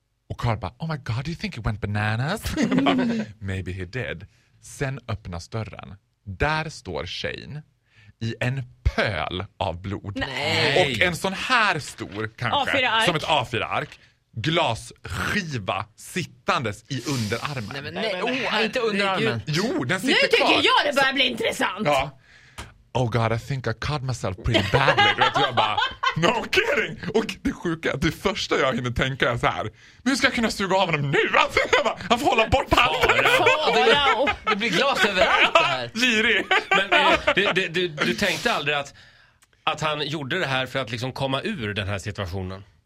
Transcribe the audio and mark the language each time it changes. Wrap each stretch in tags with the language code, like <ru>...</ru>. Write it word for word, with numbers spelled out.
<sv>Och Carl bara,</sv> <en>oh my god, do you think it went bananas? Maybe he did.</en> <sv>Sen öppnas dörren. Där står Shane i en pöl av blod. Nej. Och en sån här stor, kanske, A fyra-ark. Som ett A fyra-ark. Glasskiva sittandes i underarmen. Nej, men nej, oh, inte underarmen. Jo, den sitter nu tycker kvar. Jag det börjar bli intressant. Ja.</sv> <en>Oh god, I think I cut myself pretty badly.</en> <sv>Du vet, jag bara,</sv> <en>no kidding.</en> <sv>Och det sjuka är att det första jag hinner tänka är så här. Men hur ska jag kunna suga av honom nu? Alltså, jag bara, han får hålla bort handen. Fara, det blir glas överallt det här. Girig. Men du, du, du, du tänkte aldrig att, att han gjorde det här för att liksom komma ur den här situationen?</sv>